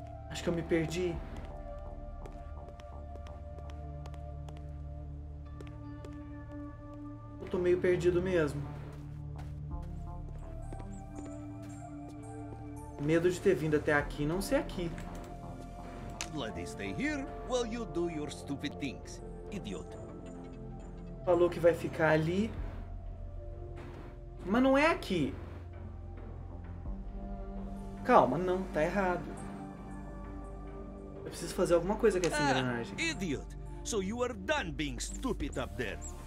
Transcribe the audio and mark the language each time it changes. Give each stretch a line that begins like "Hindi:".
Portuguese: Acho que eu me perdi. Eu tô meio perdido mesmo. Medo de ter vindo até aqui, não ser aqui.
English: Bloody stay here while you do your stupid things, idiot.
Portuguese: Falou que vai ficar ali. Mas não é aqui. Calma, não, tá errado. Eu preciso fazer alguma coisa com essa engrenagem.
English: Idiot. So you are done being stupid up there.